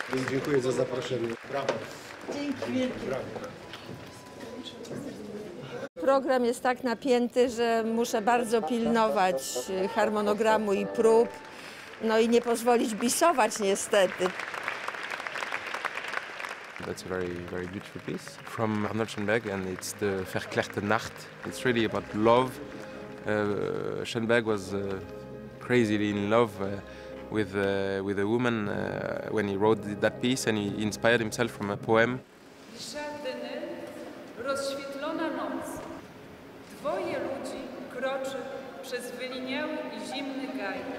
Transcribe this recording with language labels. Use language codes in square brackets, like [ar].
[pl] Dziękuję za zaproszenie. Brawo. Dzięki wielkie. Brawo. Program jest tak napięty, że muszę bardzo pilnować harmonogramu i prób. No i nie pozwolić bisować niestety. [en] That's a very, very beautiful piece from Arnold Schoenberg and it's the Verklärte Nacht. It's really about love. Schoenberg was crazily in love with a woman when he wrote that piece and he inspired himself from a poem. [pl] Żadne rozświetlona noc. Dwoje ludzi kroczy przez wyliniały i zimny gaj.